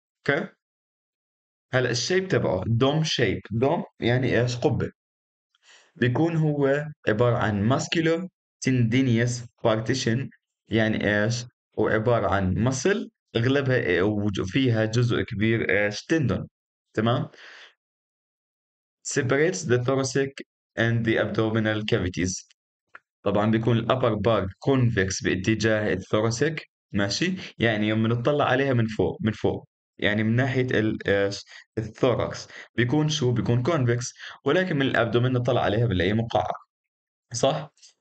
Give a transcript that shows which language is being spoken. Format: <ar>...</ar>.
<ar>اوكي هلا الشيب تبعه دوم شيب، دوم يعني ايش؟ قبه. بيكون هو عباره عن</ar> <en>musculotendinous partition,</en> <ar>يعني ايش؟ وعباره عن مسل اغلبها وفيها جزء كبير ايش؟ تندون، تمام.</ar> <en>separates the thoracic and the abdominal cavities.</en> <ar>طبعا بيكون الابر بار كونفكس باتجاه الثوراسيك، ماشي، يعني يوم بنطلع عليها من فوق، من فوق يعني من ناحيه ايش؟ الثوراكس. بيكون شو؟ بيكون كونفكس، ولكن من الابدومين نطلع عليها بنلاقي مقعر صح.</ar>